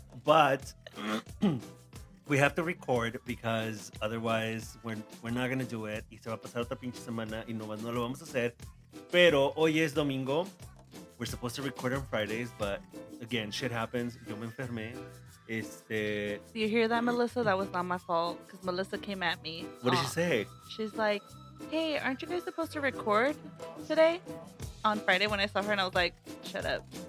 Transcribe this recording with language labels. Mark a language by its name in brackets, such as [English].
[English] But we have to record because otherwise we're not going to do it. [Spanish] Y se va a pasar otra pinche semana y no lo vamos a hacer. Pero hoy es domingo. [English] We're supposed to record on Fridays, but again, shit happens. [Spanish] Yo me enfermé. [English] Do you hear that, Melissa? That was not my fault because Melissa came at me. What did she say? She's like, hey, aren't you guys supposed to record today on Friday when I saw her? And I was like, shut up.